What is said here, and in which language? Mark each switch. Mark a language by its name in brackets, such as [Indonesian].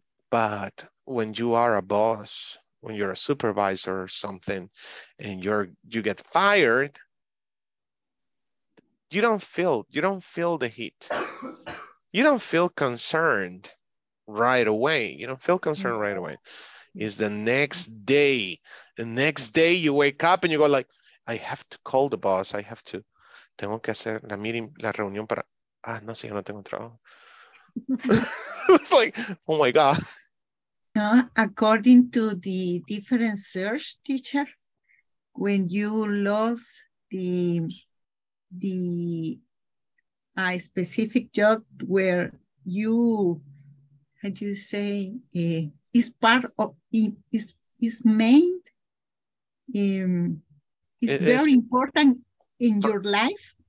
[English] But when you are a boss, when you're a supervisor or something, and you get fired, you don't feel the heat. You don't feel concerned right away. is the next day. The next day you wake up and you go like, I have to call the boss. I have to, [Spanish] tengo que hacer la meeting, la reunión para, ah, no sé, yo no tengo trabajo. [English] It's like, oh my God. No, according to the different search, teacher, when you lost the specific job where you, how do you say, is part of, is main, is very important in your life.